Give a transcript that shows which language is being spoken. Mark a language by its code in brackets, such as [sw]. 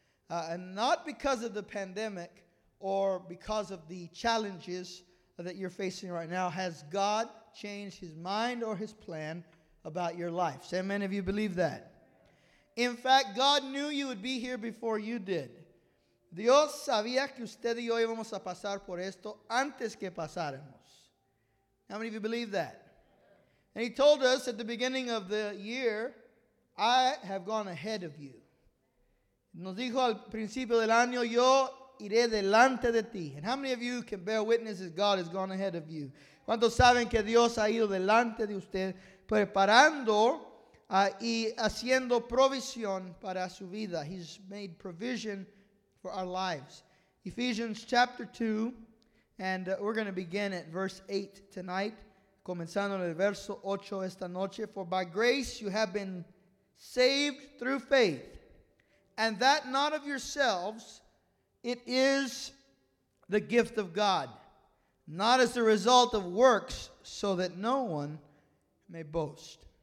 [en] And not because of the pandemic or because of the challenges that you're facing right now, has God changed His mind or His plan about your life? Say amen if you believe that. In fact, God knew you would be here before you did. [es] Dios sabía que usted y yo íbamos a pasar por esto antes que pasáramos. [en] How many of you believe that? And He told us at the beginning of the year, I have gone ahead of you. [es] Nos dijo al principio del año, yo iré delante de ti. [en] And how many of you can bear witness that God has gone ahead of you? [es] ¿Cuántos saben que Dios ha ido delante de usted preparando y haciendo provisión para su vida? [en] He's made provision for our lives. Ephesians chapter 2, and we're going to begin at verse 8 tonight. [es] Comenzando en el verso 8 esta noche. [en] For by grace you have been saved through faith, and that not of yourselves, it is the gift of God, not as the result of works, so that no one may boast.